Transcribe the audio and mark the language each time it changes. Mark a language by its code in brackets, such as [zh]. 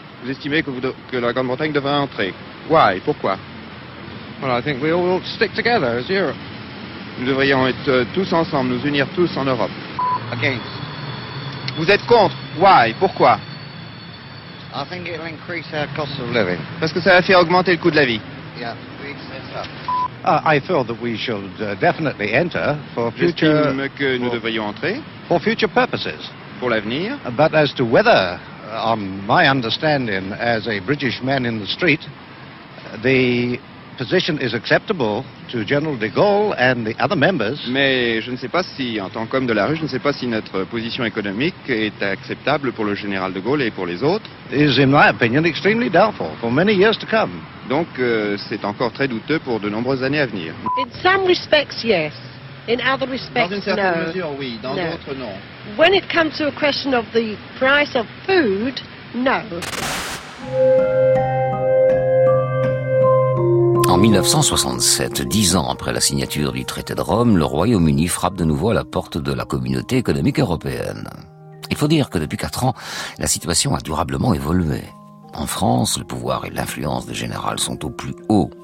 [fr] Vous estimez que, que la Grande-Bretagne devrait entrer? [en] Why? [fr] Pourquoi? [en] Well, I think we all ought to stick together as Europe. [fr] Nous devrions être tous ensemble, nous unir tous en Europe. [en] Against. [fr] Vous êtes contre? [en] Why? [fr] Pourquoi? [en] I think it'll increase our cost of living. [fr] Parce que ça va faire augmenter le coût de la vie. [en] Yeah, we accept that. I feel that we should definitely enter for future... [fr] J'estime que nous devrions entrer. [en] For future purposes. [fr] Pour l'avenir. [en] But as to whether, on my understanding as a British man in the street, the position is acceptable to General de Gaulle and the other members... [fr] Mais je ne sais pas si, en tant qu'homme de la rue, je ne sais pas si notre position économique est acceptable pour le Général de Gaulle et pour les autres. [en] Is, in my opinion, extremely doubtful for many years to come. [fr] Donc, c'est encore très douteux pour de nombreuses années à venir. [en] In some respects, yes. In other respects, [fr] dans une certaine [en] no. [fr] mesure, oui. Dans [en] no. [fr] d'autres, non. [en] When it comes to a question of the price of food, no. [fr] En 1967, 10 ans après la signature du traité de Rome, le Royaume-Uni frappe de nouveau à la porte de la communauté économique européenne. Il faut dire que depuis 4 ans, la situation a durablement évolué. En France, le pouvoir et l'influence des généraux sont au plus haut.